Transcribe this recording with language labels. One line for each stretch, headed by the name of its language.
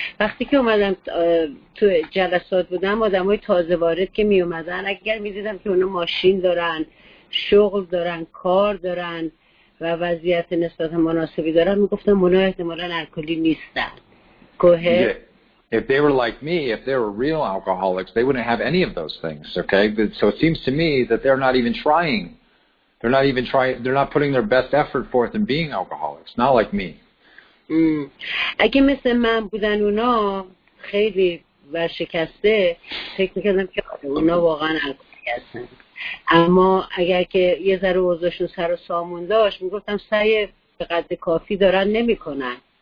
Persian: وقتی که اومدم تو جلسات بودم، آدمای تازه وارد که می اومدن، اگر می دیدم که اونا ماشین دارن، شغل دارن، کار دارن و وضعیت نسبتا مناسبی دارن، می گفتم اونا احتمالاً الکلی نیستن.
English: Go ahead. Yeah. If they were like me, if they were real alcoholics, they wouldn't have any of those things, okay? But, so it seems to me that they're not even trying. They're not putting their best effort forth in being alcoholics, not like me.
Persian: اگه مثل من بودن اونا خیلی ورشکسته، فکر میکردم که اونا واقعا الکلی هستن. اما اگر که یه ذره وضعشون سر و سامون داشت، میگفتم سعی به قدر کافی دارن نمی کنن.